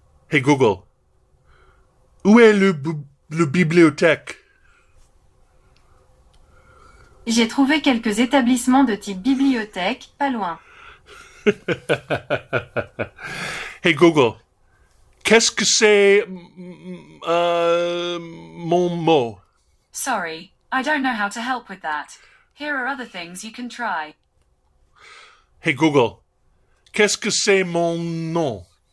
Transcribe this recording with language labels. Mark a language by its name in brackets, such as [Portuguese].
[French] Hey Google, où est le bibliothèque? J'ai trouvé quelques établissements de type bibliothèque, pas loin. Hey Google, qu'est-ce que c'est mon mot? [English] Sorry, I don't know how to help with that. Here are other things you can try. [French] Hey Google, qu'est-ce que c'est mon nom?